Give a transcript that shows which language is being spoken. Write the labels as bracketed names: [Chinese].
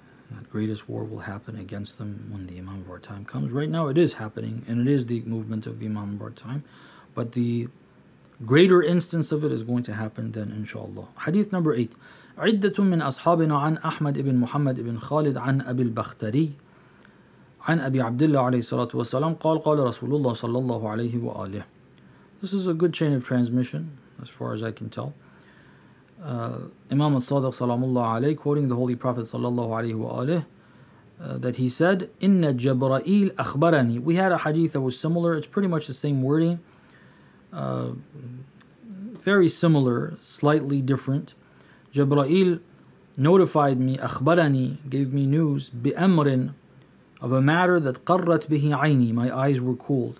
[English] That greatest war will happen against them when the Imam of our time comes. Right now it is happening, and it is the movement of the Imam of our time. But the greater instance of it is going to happen then, inshallah. Hadith number 8. [Arabic] عدة من أصحابنا عن أحمد بن محمد بن خالد عن أبي البختري عن أبي عبد الله عليه الصلاة والسلام قال قال رسول الله صلى الله عليه وآله. [English] This is a good chain of transmission as far as I can tell. Imam al-Sadiq [Arabic] صلى الله عليه [English] quoting the Holy Prophet [Arabic] صلى الله عليه وآله [English] that he said [Arabic] إن جبرائيل أخبرني. [English] We had a hadith that was similar. It's pretty much the same wording. Very similar, slightly different. Jibra'il notified me, أخبرني, gave me news, بأمرٍ, of a matter that [Arabic] قرت به عيني, [English] my eyes were cooled.